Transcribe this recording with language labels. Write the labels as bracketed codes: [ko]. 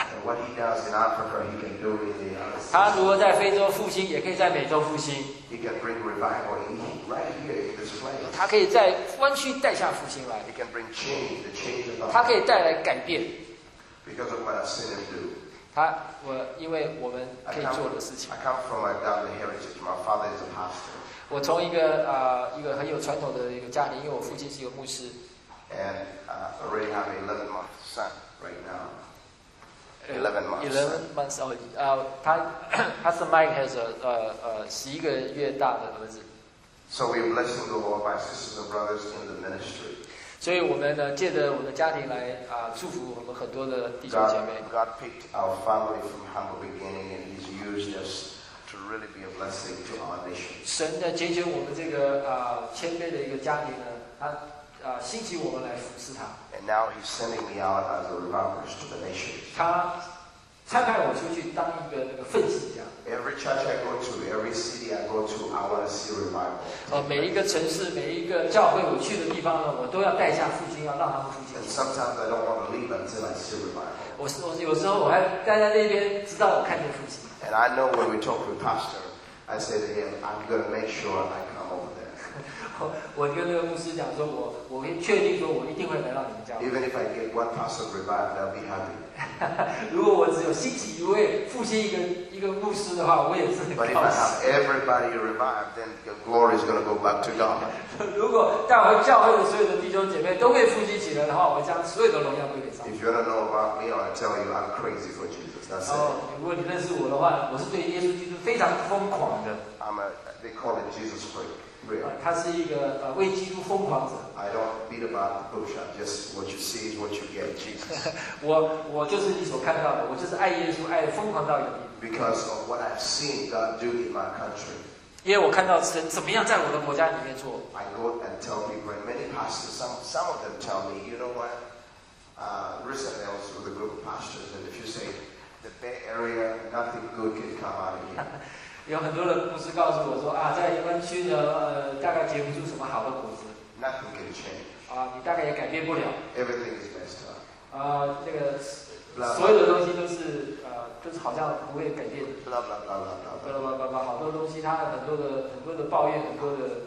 [en] And what he does in Africa, he can do in the other. [zh] 他如果在非洲复兴，也可以在美洲复兴。 [en] He can bring revival in right here in this place. [zh] 他可以在湾区带下复兴来。 [en] He can bring change, the change of. [zh] 他可以带来改变。 [en] Because of what I've seen him do. [zh] 他我因为我们可以做的事情。 [en] I come from a family heritage. My father is a pastor. [zh] 我从一个一个很有传统的一个家庭，因为我父亲是一个牧师。 [en] And already have 11 month son right now. 11 month. 11 months old. [zh] 他是 [en] Mike has a [zh] 十一个月大的儿子。 [en] So we bless the Lord by sisters and brothers in the ministry. [zh] 所以我们呢，借着我们的家庭来祝福我们很多的弟兄姐妹。 [en] God picked our family from humble beginning, and He's used us to really be a blessing to our nation. [zh] 神呢，拣选我们这个谦卑的一个家庭呢，兴起我们来服侍他。 [en] And now he's sending me out as a revivalist to the nations. [zh] 他差派我出去当一个那个奉使家。 [en] Every church I go to, every city I go to, I want to see revival. [zh] 每一个城市，每一个教会我去的地方呢，我都要带下复兴，要让他们复兴。 [en] And sometimes I don't want to leave until I see revival. [zh] 我有时候我还待在那边，直到我看见复兴。 [en] And I know when we talk with pastor, I say to him, I'm going to make sure I come over there. [zh] 我跟那个牧师讲说，我确定说我一定会来到你们教会。 [en] Even if I get one pastor revived, I'll be happy. [zh] 如果我只有兴起一位复兴一个牧师的话，我也是很高兴。 [en] But if I have everybody revived, then the glory is going to go back to God. [zh] 如果带回教会的所有的弟兄姐妹都被复兴起来的话，我将所有的荣耀归给上帝。 [en] If you want to know about me, I'll tell you I'm crazy for Jesus. That's it. [zh] 如果你认识我的话，我是对耶稣基督非常疯狂的。 [en] They call it Jesus freak. [zh] 他是一个为基督疯狂者。 [en] I don't beat about the bush. Just what you see is what you get. Jesus. [zh] 我就是你所看到的。我就是爱耶稣，爱疯狂到一个地步。 [en] Because of what I've seen God do in my country. [zh] 因为我看到神怎么样在我的国家里面做。 [en] I go and tell people, and many pastors, some of them tell me, you know what? Recently, I was with a group of pastors, and if you say the Bay Area, nothing good can come out of here. [zh] 有很多的牧师告诉我说在湾区呢，大概结不出什么好的果子。 [en] Nothing can change. [zh] 你大概也改变不了。 [en] Everything is best. [zh] 这个 blah, 所有的东西都是就是好像不会改变。 [en] Blah blah blah blah blah. [zh] 巴拉巴拉巴拉，好多东西，他很多的抱怨，很多的。